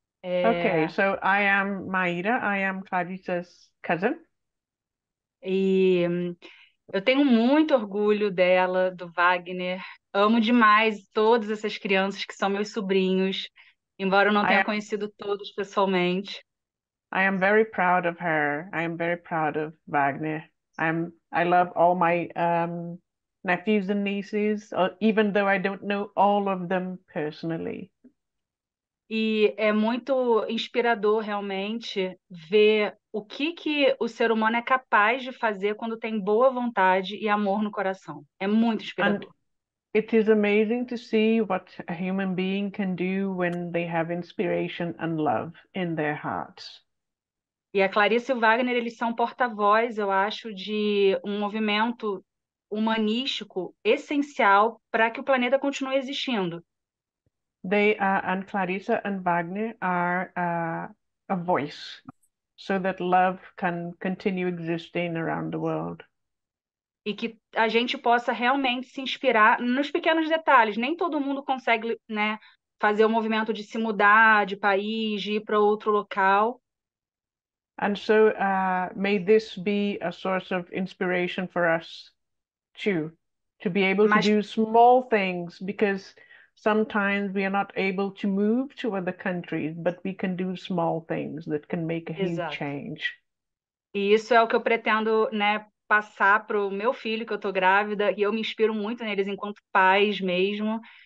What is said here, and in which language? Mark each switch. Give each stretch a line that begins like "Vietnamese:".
English: Ok, so I am Maíra, I am Clarissa's cousin.
Portuguese: E eu tenho muito orgulho dela, do Wagner. Amo demais todas essas crianças que são meus sobrinhos, embora eu não tenha conhecido todos pessoalmente.
English: I am very proud of her, I am very proud of Wagner. I love all my nephews and nieces, even though I don't know all of them personally.
Portuguese: E é muito inspirador realmente ver o que o ser humano é capaz de fazer quando tem boa vontade e amor no coração. É muito inspirador.
English: And it is amazing to see what a human being can do when they have inspiration and love in their hearts.
Portuguese: E a Clarissa e o Wagner, eles são porta-voz, eu acho, de um movimento humanístico essencial para que o planeta continue existindo.
English: They and Clarissa and Wagner are a voice so that love can continue existing around the world.
Portuguese: E que a gente possa realmente se inspirar nos pequenos detalhes. Nem todo mundo consegue, né, fazer o movimento de se mudar de país, de ir para outro local.
English: And so may this be a source of inspiration for us too, to be able to do small things, because sometimes we are not able to move to other countries, but we can do small things that can make a huge change.
Portuguese: E isso é o que eu pretendo, né, passar para o meu filho, que eu estou grávida, e eu me inspiro muito neles enquanto pais mesmo.